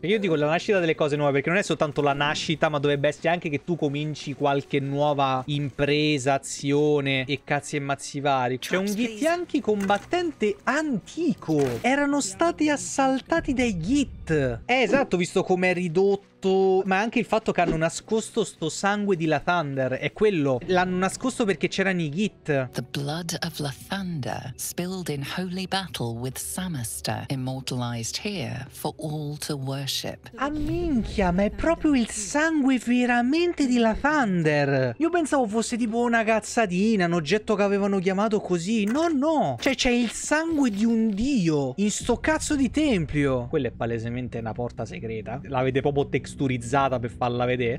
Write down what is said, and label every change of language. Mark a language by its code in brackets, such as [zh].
[it] Io dico la nascita delle cose nuove perché non è soltanto la nascita, ma dovrebbe essere anche che tu cominci qualche nuova impresa, azione e cazzi e mazzi vari. C'è un Githyanki combattente antico. Erano stati assaltati dai Gith. Esatto, visto com'è ridotto. Ma anche il fatto che hanno nascosto sto sangue di Lathander è quello. L'hanno nascosto perché c'erano i Gith. [en] The blood of Lathander spilled in holy battle with Samaster, immortalized here for all to worship. [it] Ah, minchia, ma è proprio il sangue veramente di Lathander. Io pensavo fosse tipo una cazzatina, un oggetto che avevano chiamato così. No, no. Cioè c'è il sangue di un dio in sto cazzo di tempio. Quella è palesemente una porta segreta. L'avete proprio texturizzata per farla vedere.